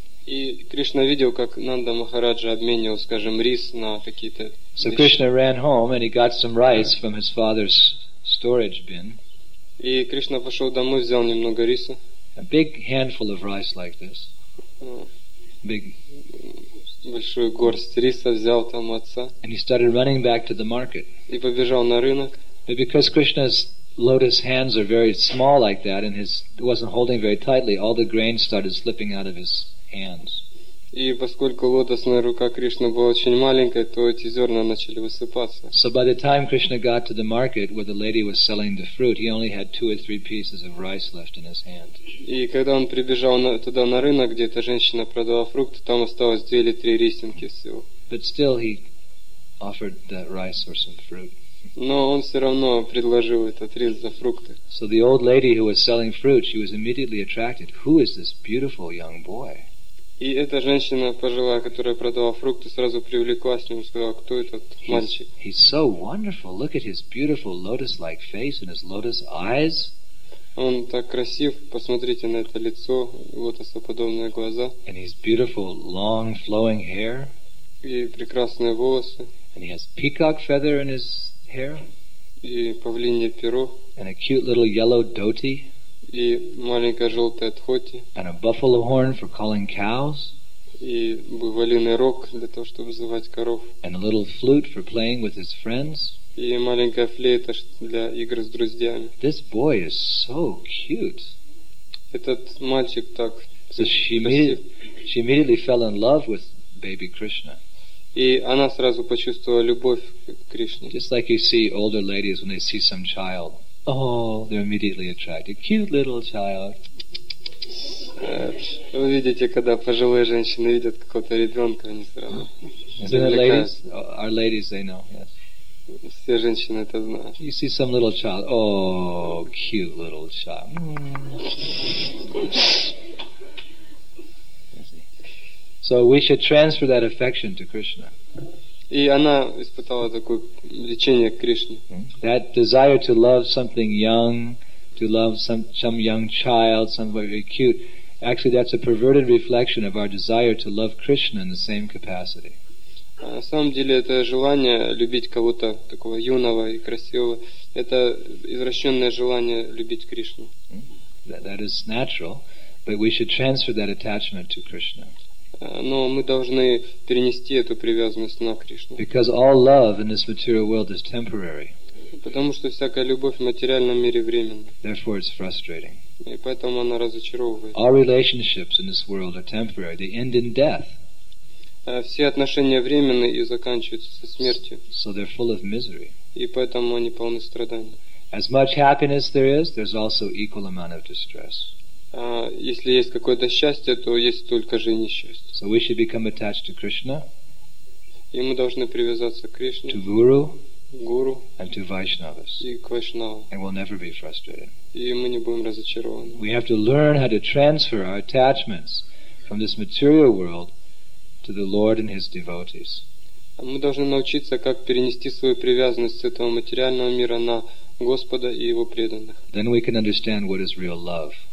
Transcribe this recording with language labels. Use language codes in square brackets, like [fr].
[ru] И Кришна видел, как Нанда Махараджа обменивал, скажем, рис на какие-то вещи. [en] So Krishna ran home and he got some rice from his father's storage bin. [ru] И Кришна пошел домой, взял немного риса. [en] A big handful of rice like this. Big. [ru] Большую горсть риса взял там у отца. [en] And he started running back to the market. [ru] И побежал на рынок. [en] But because Krishna's lotus hands are very small like that and his wasn't holding very tightly, all the grain started slipping out of his hands. [ru] И поскольку лотосная рука Кришны была очень маленькой, то эти зерна начали высыпаться. [en] So by the time Krishna got to the market where the lady was selling the fruit, he only had two or three pieces of rice left in his hand. [ru] И когда он прибежал туда на рынок, где эта женщина продавала фрукты, там осталось две или три рисинки всего. [en] But still he offered that rice or some fruit. [ru] Но он все равно предложил этот рис за фрукты. [en] So the old lady who was selling fruit, she was immediately attracted. Who is this beautiful young boy? [ru] И эта женщина пожилая, которая продавала фрукты, сразу привлеклась к нему и сказала, кто этот мальчик. [en] He's so wonderful. Look at his beautiful lotus-like face and his lotus eyes. [ru] Он так красив. Посмотрите на это лицо, лотосоподобные глаза. [en] And his beautiful long flowing hair. [ru] И прекрасные волосы. [en] And he has peacock feather in his hair. [ru] И павлинье перо. [en] And a cute little yellow dhoti. [ru] И маленькая желтая тхоти. [en] And a buffalo horn for calling cows. [ru] И буйволиный рог для того, чтобы звать коров. [en] And a little flute for playing with his friends. [ru] И маленькая флейта для игр с друзьями. [en] This boy is so cute. [ru] Этот мальчик так красив. [en] So she immediately fell in love with baby Krishna. [ru] И она сразу почувствовала любовь к Кришне. [en] Just like you see older ladies when they see some child. Oh, they're immediately attracted. Cute little child. [ru] Вы видите, когда пожилые женщины видят какого-то ребенка, они сразу. [en] Our ladies, they know. Yes. [ru] Все женщины это знают. [en] You see some little child. Oh, cute little child. Mm. So we should transfer that affection to Krishna. [ru] И она испытала такое влечение к Кришне. [en] That desire to love something young, to love some young child, somebody very cute, actually that's a perverted reflection of our desire to love Krishna in the same capacity. [ru] На самом деле это желание любить кого-то такого юного и красивого, это извращенное желание любить Кришну. [en] That is natural, but we should transfer that attachment to Krishna. [ru] Но мы должны перенести эту привязанность на Кришну. [en] Because all love in this material world is temporary. [ru] Потому что всякая любовь в материальном мире временна. [en] Therefore, it's frustrating. [ru] И поэтому она разочаровывает. [en] All relationships in this world are temporary. They end in death. [ru] Все отношения временны и заканчиваются со смертью. [en] So they're full of misery. [ru] И поэтому они полны страданий. [en] As much happiness there is, there's also equal amount of distress. [ru] Если есть какое-то счастье, то есть только же и несчастье. [en] So we should become attached to Krishna. [ru] И мы должны привязаться к Кришне. [en] To Guru. [ru] Guru. [en] And to Vaishnavas. [ru] И к Вайшнавам. [en] And we'll never be frustrated. [ru] И мы не будем разочарованы. [en] We have to learn how to transfer our attachments from this material world to the Lord and His devotees. [ru] Мы должны научиться, как перенести свою привязанность с этого материального мира на Господа и Его преданных. [en] Then we can understand what is real love.